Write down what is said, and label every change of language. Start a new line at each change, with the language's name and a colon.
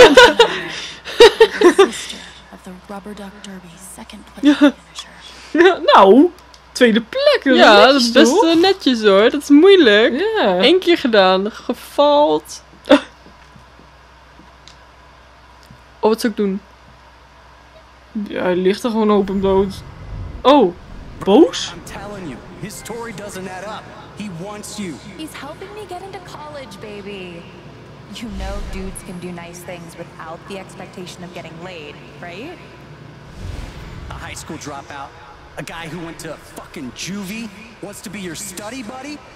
English: Her sister of the Rubber Duck Derby, second place finisher.
Dutch: Nou... Tweede plek, ja, dat is best netjes hoor. Dat is moeilijk.
English: Yeah.
Dutch: 1 keer gedaan, gefaald. Oh, wat zou ik doen? Ja, hij ligt er gewoon open bloot. Oh, boos?
English: I'm telling you, his story doesn't add up. He wants you. He's helping me get into college, baby. You know dudes can do nice things without the expectation of getting laid, right? A high school dropout. A guy who went to fucking juvie wants to be your study buddy?